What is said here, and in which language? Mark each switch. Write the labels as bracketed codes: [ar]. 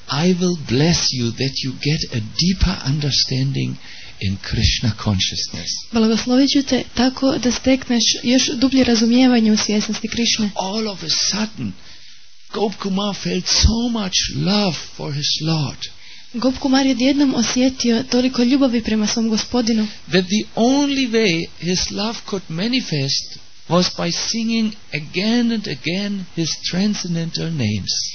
[en] I will bless you that you get a deeper understanding in Krishna consciousness. [hr] Blagoslovit ću te tako da stekneš još dublje razumijevanje u svjesnosti Krishne. [en] All of a sudden, Gop Kumar felt so much love for his Lord. [hr] Gop Kumar je odjednom osjetio toliko ljubavi prema svom gospodinu. [en] That the only way his love could manifest was by singing again and again his transcendental names.